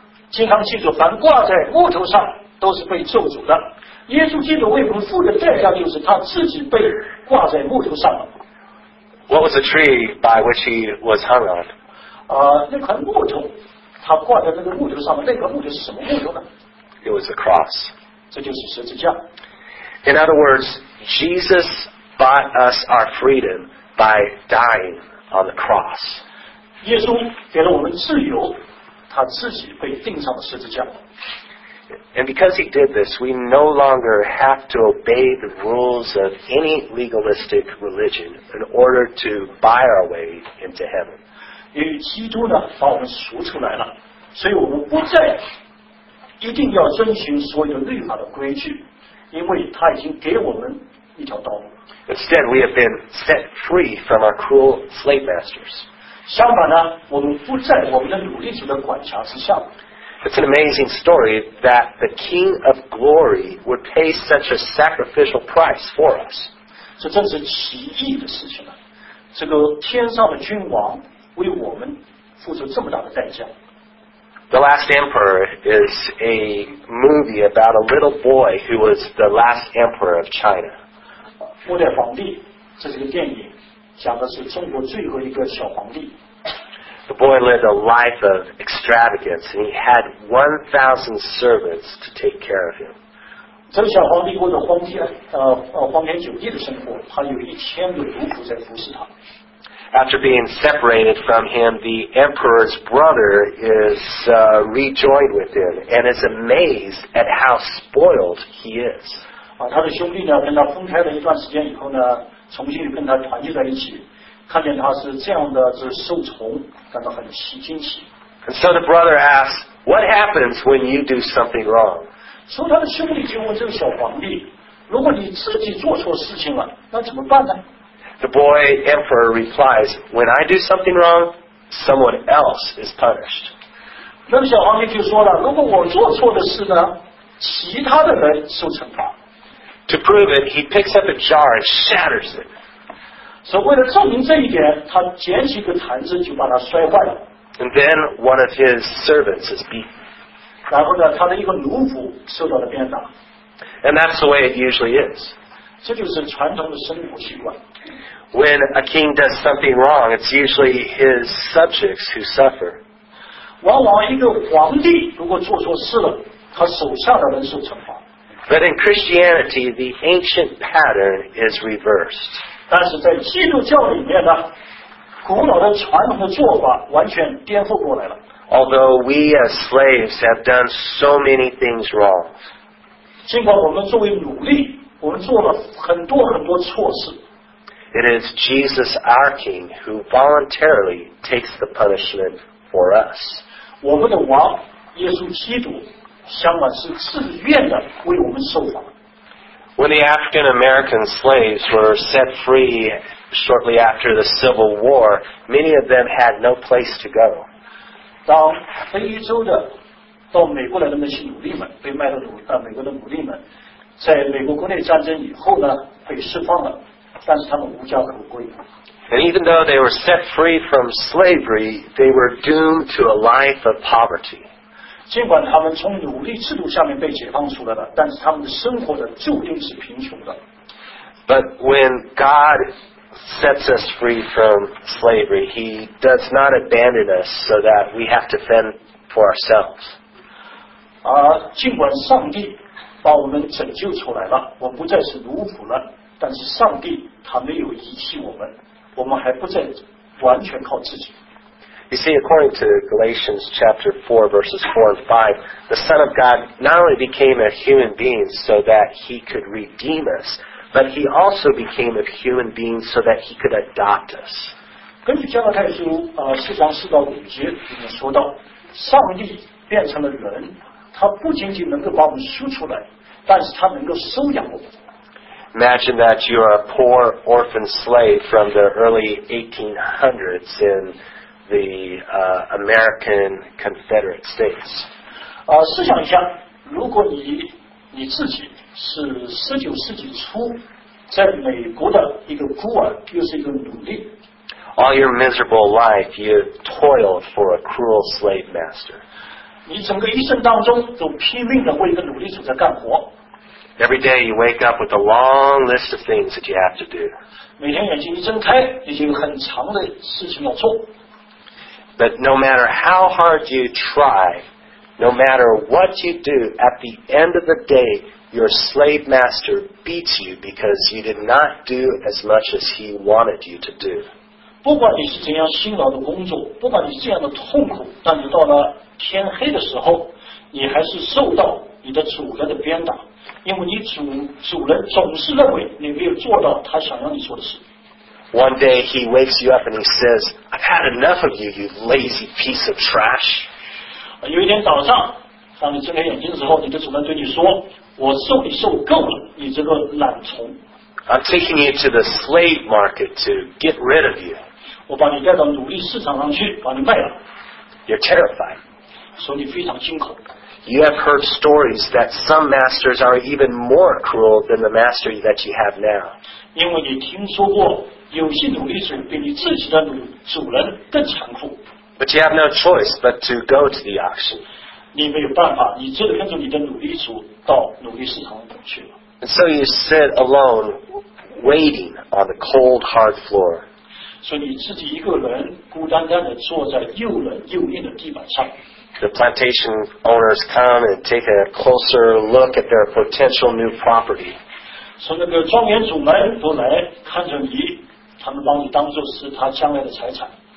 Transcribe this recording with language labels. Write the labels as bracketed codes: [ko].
[zh] 经上记着，凡挂在木头上都是被咒诅的。耶稣基督为我们付的代价就是他自己被挂在木头上了。 [en] What was the tree by which he was hung on? [zh] 那块木头，他挂在那个木头上面，那块木头是什么木头呢？ [en] It was a cross. [zh] 这就是十字架。 [en] In other words, Jesus bought us our freedom by dying on the cross. [zh] 耶稣给了我们自由，他自己被钉上了十字架。 [en] And because he did this, we no longer have to obey the rules of any legalistic religion in order to buy our way into heaven. [zh] 因为基督呢把我们赎出来了，所以我们不再一定要遵循所有律法的规矩，因为他已经给我们一条道路。 [en] Instead, we have been set free from our cruel slave masters. [zh] 相反呢，我们不在我们的奴隶主的管辖之下。 [en] It's an amazing story that the King of Glory would pay such a sacrificial price for us. [zh] 这真是奇异的事情了。这个天上的君王为我们付出这么大的代价。 [en] The Last Emperor is a movie about a little boy who was the last emperor of China. [zh] 末代皇帝，这是个电影，讲的是中国最后一个小皇帝。 [en] The boy lived a life of extravagance, and he had 1,000 servants to take care of him. [zh] 这个小皇帝过着荒天酒地的生活，他有1,000个奴仆在服侍他。 [en] After being separated from him, the emperor's brother is rejoined with him and is amazed at how spoiled he is. [zh] 他的兄弟呢，跟他分开了一段时间以后呢，重新跟他团聚在一起。看见他是这样的，就是受宠，感到很惊奇。 [en] And so the brother asks, "What happens when you do something wrong?" [zh] 所以他的兄弟就问这个小皇帝，如果你自己做错事情了，那怎么办呢？ [en] The boy emperor replies, "When I do something wrong, someone else is punished." [zh] 那个小皇帝就说了，如果我做错的事呢，其他的人受惩罚。 [en] To prove it, he picks up a jar and shatters it. [zh] 所以为了证明这一点，他捡起一个坛子就把它摔坏了。 [en] And then one of his servants is beaten. [zh] 然后呢，他的一个奴仆受到了鞭打。 [en] And that's the way it usually is. [zh] 这就是传统的生活习惯。 [en] When a king does something wrong, it's usually his subjects who suffer. [zh] 往往一个皇帝如果做错事了，他手下的人受惩罚。 [en] But in Christianity, the ancient pattern is reversed. [zh] 但是在基督教里面呢，古老的传统的做法完全颠覆过来了。 [en] Although we as slaves have done so many things wrong, [zh] 尽管我们作为奴隶，我们做了很多很多错事。 [en] It is Jesus our King who voluntarily takes the punishment for us. [zh] 我们的王耶稣基督，相反是自愿的为我们受罚。 [en] When the African-American slaves were set free shortly after the Civil War, many of them had no place to go. [zh] 当非裔州的到美国来的那些奴隶们被卖到美国的奴隶们，在美国国内战争以后呢，被释放了，但是他们无家可归。 [en] And even though they were set free from slavery, they were doomed to a life of poverty. [zh] 尽管他们从奴隶制度下面被解放出来了，但是他们的生活的注定是贫穷的。 [en] But when God sets us free from slavery, He does not abandon us so that we have to fend for ourselves. [zh] 尽管上帝把我们拯救出来了，我们不再是奴仆了，但是上帝他没有遗弃我们，我们还不再完全靠自己。 [en] You see, according to Galatians chapter 4, verses 4 and 5, the Son of God not only became a human being so that he could redeem us, but he also became a human being so that he could adopt us. [zh] 根据加拉太书四章四到五节里面说到，上帝变成了人，他不仅仅能够把我们赎出来，但是他能够收养我们。 [en] Imagine that you are a poor orphan slave from the early 1800s in the American Confederate States. [zh] 试想一下，如果你自己是19世纪初在美国的一个孤儿，又是一个奴隶。 [en] All your miserable life, you toiled for a cruel slave master. [zh] 你整个一生当中都拼命的为一个奴隶主在干活。 [en] Every day you wake up with a long list of things that you have to do. [zh] 每天眼睛一睁开，已经有很长的事情要做。 [en] But no matter how hard you try, no matter what you do, at the end of the day, your slave master beats you because you did not do as much as he wanted you to do. [zh] 不管你是怎样辛劳的工作，不管你是这样的痛苦，但是到了天黑的时候，你还是受到你的主人的鞭打，因为你主人总是认为你没有做到他想要你做的事。 [en] One day he wakes you up and he says, "I've had enough of you, you lazy piece of trash." [zh] 有一天早上，当你睁开眼睛的时候，你的主人对你说，我受你受够了，你这个懒虫。 [en] I'm taking you to the slave market to get rid of you. [zh] 我把你带到奴隶市场上去，把你卖了。 [en] You're terrified. [zh] 所以你非常惊恐。 [en] You have heard stories that some masters are even more cruel than the master that you have now. [zh] 因为你听说过有些奴隶主比你自己的主人更残酷。 [en] But you have no choice but to go to the auction. [zh] 你没有办法，你只能跟着你的努力主到努力市场里去了。 [en] And so you sit alone, waiting on the cold, hard floor. [zh] 所以你自己一个人孤单单的坐在又冷又硬的地板上。 [en] The plantation owners come and take a closer look at their potential new property. [zh] 从那个庄园主来都来看着你，他们把你当作是他将来的财产。